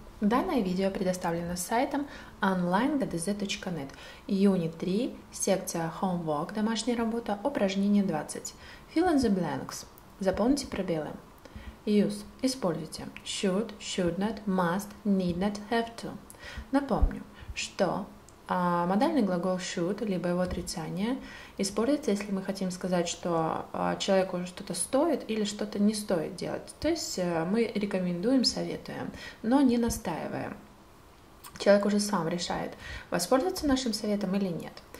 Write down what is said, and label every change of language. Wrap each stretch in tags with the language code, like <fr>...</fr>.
<ru>Данное видео предоставлено сайтом online.gdz.net. Unit 3, секция Homework, домашняя работа, упражнение 20.</ru> <en>Fill in the blanks.</en> <ru>Заполните пробелы.</ru> <en>Use.</en> <ru>Используйте.</ru> <en>Should, should not, must, need not, have to.</en> <ru>Напомню, что модальный глагол should, либо его отрицание, используется, если мы хотим сказать, что человеку что-то стоит или что-то не стоит делать. То есть мы рекомендуем, советуем, но не настаиваем. Человек уже сам решает, воспользоваться нашим советом или нет.</ru>